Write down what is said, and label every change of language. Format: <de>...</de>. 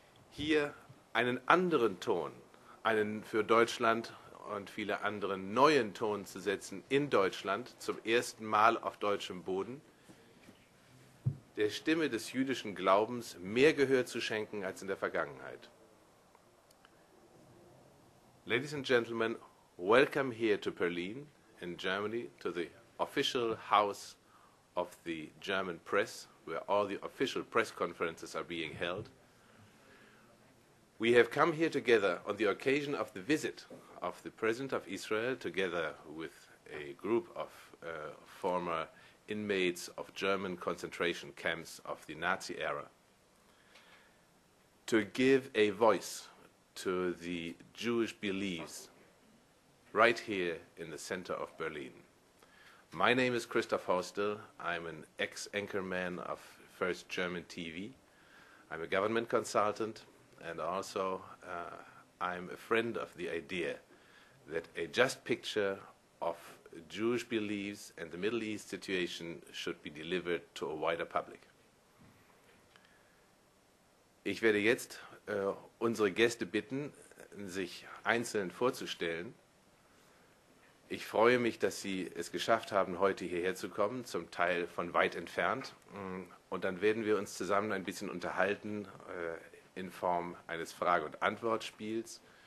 <de>hier einen anderen Ton, einen für Deutschland und viele andere neuen Ton zu setzen in Deutschland, zum ersten Mal auf deutschem Boden, der Stimme des jüdischen Glaubens mehr Gehör zu schenken als in der Vergangenheit.</de> <en>Ladies and gentlemen, welcome here to Berlin in Germany, to the official house of the German press, where all the official press conferences are being held. We have come here together on the occasion of the visit of the President of Israel, together with a group of former inmates of German concentration camps of the Nazi era, to give a voice to the Jewish beliefs right here in the center of Berlin. My name is Christoph Hostel. I'm an ex-anchorman of First German TV. I'm a government consultant, and also I'm a friend of the idea that a just picture of Jewish beliefs and the Middle East situation should be delivered to a wider public.</en> <de>Ich werde jetzt unsere Gäste bitten, sich einzeln vorzustellen. Ich freue mich, dass Sie es geschafft haben, heute hierher zu kommen, zum Teil von weit entfernt. Und dann werden wir uns zusammen ein bisschen unterhalten in Form eines Frage- und Antwortspiels.</de>